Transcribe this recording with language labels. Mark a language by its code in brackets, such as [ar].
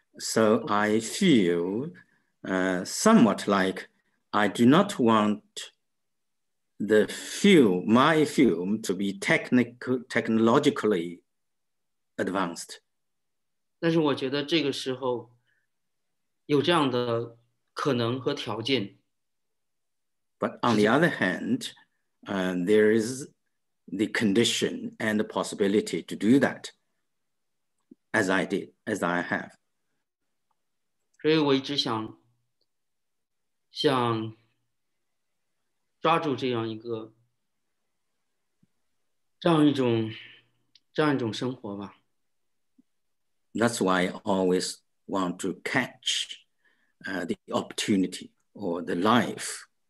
[en] So I feel somewhat like I do not want my film to be technologically advanced. [zh] 但是我觉得这个时候有这样的可能和条件。 [en] But on the other hand, there is the condition and the possibility to do that, as I have. [zh] 所以我一直想抓住这样一种生活吧。 [en] That's why I always want to catch the opportunity or the life.